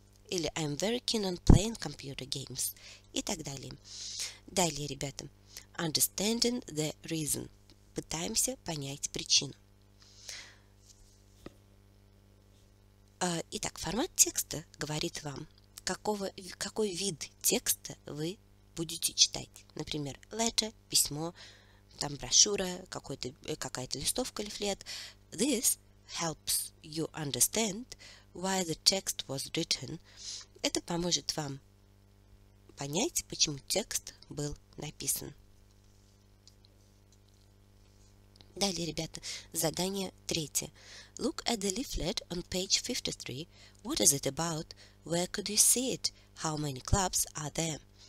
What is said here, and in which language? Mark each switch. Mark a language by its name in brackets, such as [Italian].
[English] Или I'm very keen on playing computer games. [Russian] И так далее. Далее, ребята. [English] Understanding the reason. [Russian] Пытаемся понять причину. Итак, формат текста говорит вам, какой вид текста вы будете читать. Например, letter, письмо, там брошюра, какая-то листовка, лифлет. [English] This helps you understand why the text was written. [Russian] Это поможет вам понять, почему текст был написан. Далее, ребята, задание третье. [English] Look at the leaflet on page 53. What is it about? Where could you see it? How many clubs are there?